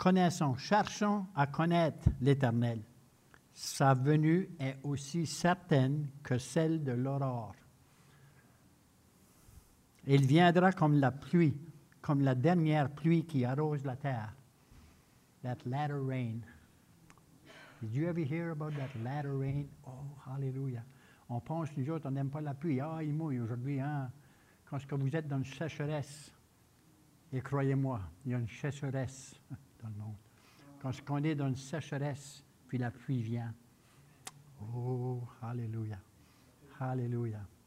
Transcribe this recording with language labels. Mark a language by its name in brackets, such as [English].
[French] connaissons, cherchons à connaître l'Éternel, sa venue est aussi certaine que celle de l'aurore. Il viendra comme la pluie, comme la dernière pluie qui arrose la terre. [English] That latter rain. Did you ever hear about that latter rain? Oh, hallelujah. [French] On pense, nous autres, on n'aime pas la pluie. Ah, oh, il mouille aujourd'hui, hein? Quand ce que vous êtes dans une sécheresse, et croyez-moi, il y a une sécheresse dans le monde. Quand ce qu'on est dans une sécheresse, puis la pluie vient. Oh, hallelujah. Hallelujah.